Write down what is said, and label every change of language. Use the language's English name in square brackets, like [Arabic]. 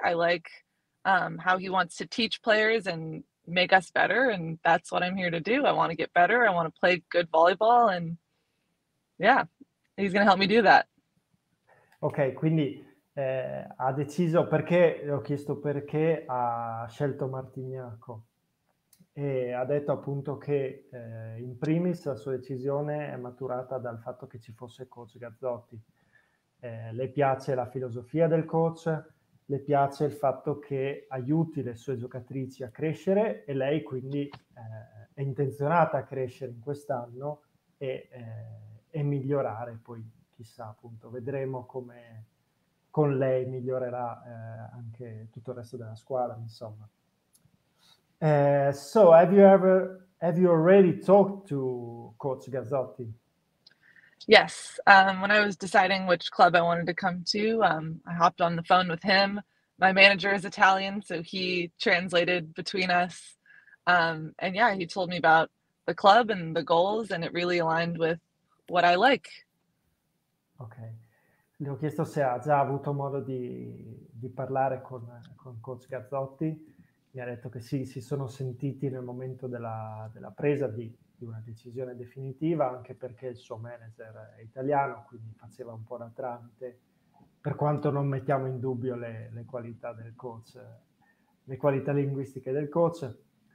[English] I like how he wants to teach players and make us better, and that's what I'm here to do. I want to get better. I want to play good volleyball, and yeah, he's going to help me do that. [Italian] Ok, quindi ha deciso perché, ho chiesto perché ha scelto Martignacco e ha detto appunto che in primis la sua decisione è maturata dal fatto che ci fosse Coach Gazzotti. Le piace la filosofia del coach, le piace il fatto che aiuti le sue giocatrici a crescere e lei quindi è intenzionata a crescere in quest'anno e migliorare poi. Chissà, appunto, vedremo come con lei migliorerà anche tutto il resto della squadra, insomma. [English] So, have you already talked to Coach Gazzotti? Yes, when I was deciding which club I wanted to come to, I hopped on the phone with him. My manager is Italian, so he translated between us. And yeah, he told me about the club and the goals, and it really aligned with what I like. [Italian] Ok, le ho chiesto se ha già avuto modo di parlare con Coach Gazzotti. Mi ha detto che sì, si sono sentiti nel momento della presa di una decisione definitiva, anche perché il suo manager è italiano, quindi faceva un po' da tramite, per quanto non mettiamo in dubbio le qualità del coach, le qualità linguistiche del coach.